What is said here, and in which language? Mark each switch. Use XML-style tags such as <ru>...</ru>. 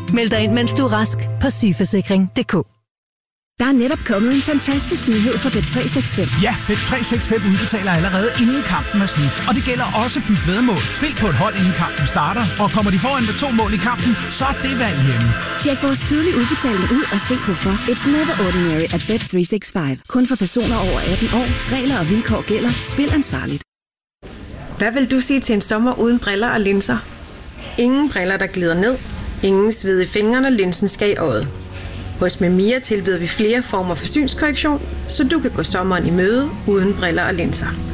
<da>Meld dig ind, mens du er rask på sygeforsikring.dk. Der er netop kommet en fantastisk nyhed for Bet365. Ja, Bet365 udbetaler allerede inden kampen er slut. Og det gælder også byt vedmål. Spil på et hold, inden kampen starter. Og kommer de foran med 2 mål i kampen, så er det valg hjemme. Tjek vores tidlige udbetaling ud og se hvorfor.</da> <en>It's never ordinary at Bet365.</en> <da>Kun for personer over 18 år. Regler og vilkår gælder. Spil ansvarligt. Hvad vil du sige til en sommer uden briller og linser? Ingen briller, der glider ned. Ingen sved i fingrene, linsen skal i øjet. Hos Mamiya tilbyder vi flere former for synskorrektion, så du kan gå sommeren i møde uden briller og linser.</da>